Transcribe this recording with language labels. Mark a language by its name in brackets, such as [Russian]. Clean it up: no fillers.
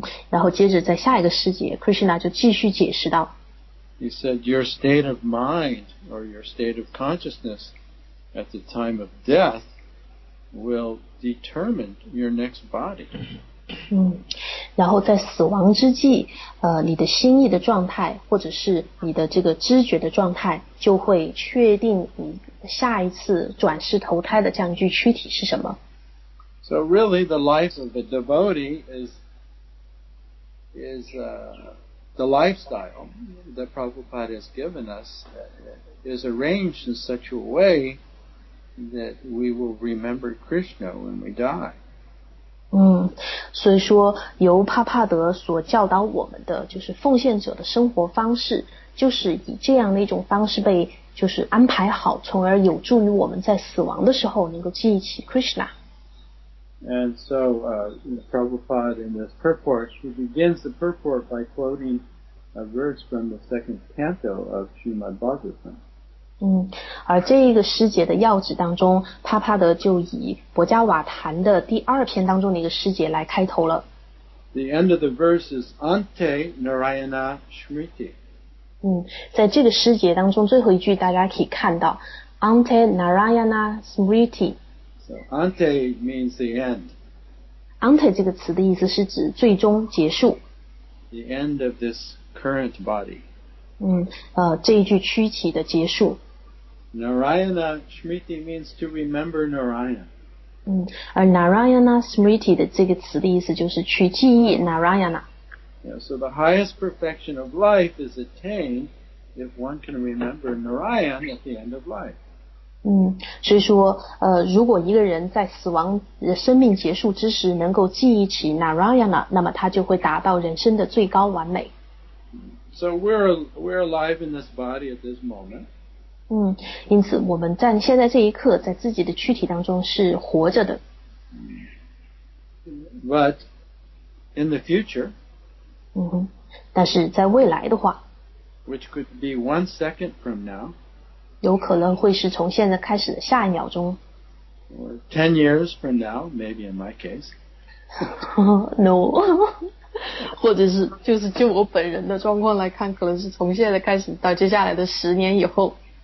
[Chinese] 然后接着在下一个世界 ，Krishna 就继续解释道。 [English] He said, "Your state of mind or your state of consciousness." At the time of death, will determine your next body. [Chinese] 然后在死亡之际，你的心意的状态，或者是你的这个知觉的状态，就会确定你下一次转世投胎的这样一具躯体是什么。 [English] So really, the life of a devotee is the lifestyle that Prabhupada has given us is arranged in such a way. That we will remember Krishna when we die. [Chinese] 所以说由帕帕德所教导我们的就是奉献者的生活方式就是以这样的一种方式被就是安排好从而有助于我们在死亡的时候能够记忆起 Krishna. [English] And so, Prabhupada in this purport, he begins the purport by quoting a verse from the second canto of Srimad Bhagavatam. [Chinese] 而这一个师节的要旨当中帕帕德就以博伽瓦坛的第二篇当中的一个师节来开头了 [English] The end of the verse is [Sanskrit] Ante Narayana Smriti [Chinese] 在这个诗节当中最后一句大家可以看到 [Sanskrit] Ante Narayana Smriti。 [English] So Ante means the end. [Chinese] Ante 这个词的意思是指最终结束。 [English] The end of this current body. [Chinese] 这一句躯体的结束。 [English] Narayana Smriti means to remember Narayana. [Chinese] 而 Narayana Smriti 的这个词的意思就是去记忆 Narayana。 [English] Yeah, so the highest perfection of life is attained if one can remember Narayan at the end of life. [Chinese] 所以说如果一个人在死亡生命结束之时能够记忆起 Narayana, 那么他就会达到人生的最高完美。 [English] So we're alive in this body at this moment. [Chinese] 因此我们在现在这一刻在自己的躯体当中是活着的。 [English] But in the future, [Chinese] 但是在未来的话 [English] which could be 1 second from now, [Chinese] 有可能会是从现在开始的下一秒钟 [English] or 10 years from now, maybe in my case. [Chinese] No, 或者是就是就我本人的状况来看可能是从现在开始到接下来的10年以后